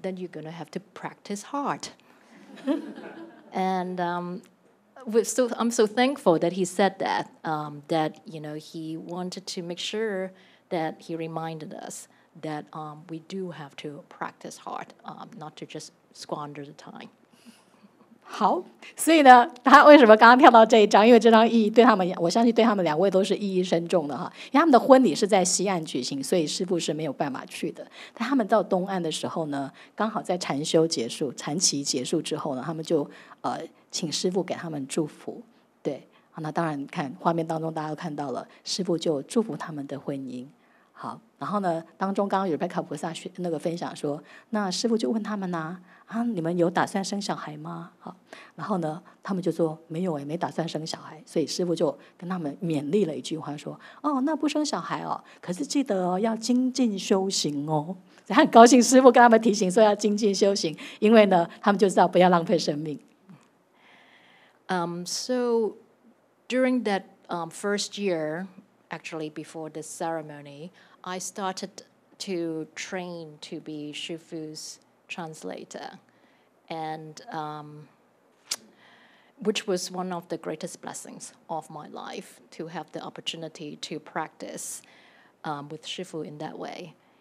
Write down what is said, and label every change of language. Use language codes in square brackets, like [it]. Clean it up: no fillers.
[en] Then you're going to have to practice hard. And I'm so thankful that he said that, that, you know, he wanted to make sure that he reminded us that we do have to practice hard, not to just squander the time. [zh] 好，所以呢，他为什么刚刚跳到这一章？因为这张意义对他们，我相信对他们两位都是意义深重的哈。因为他们的婚礼是在西岸举行，所以师父是没有办法去的。但他们到东岸的时候呢，刚好在禅修结束、禅期结束之后呢，他们就请师父给他们祝福。对，那当然看画面当中大家都看到了，师父就祝福他们的婚姻。好，然后呢，当中刚刚Rebecca菩萨那个分享说，那师父就问他们呢、啊。啊、你们有打算生小孩吗？好，然后呢他们就说没有，没打算生小孩。所以师父就跟他们勉励了一句话说，哦，那不生小孩哦，可是记得、哦、要精进修行哦。他很高兴师父跟他们提醒说要精进修行，因为呢他们就知道不要浪费生命。 [en] So during that first year, actually before the ceremony, I started to train to be Shifu'sTranslator, and which was one of the greatest blessings of my life to have the opportunity to practice with Shifu in that way.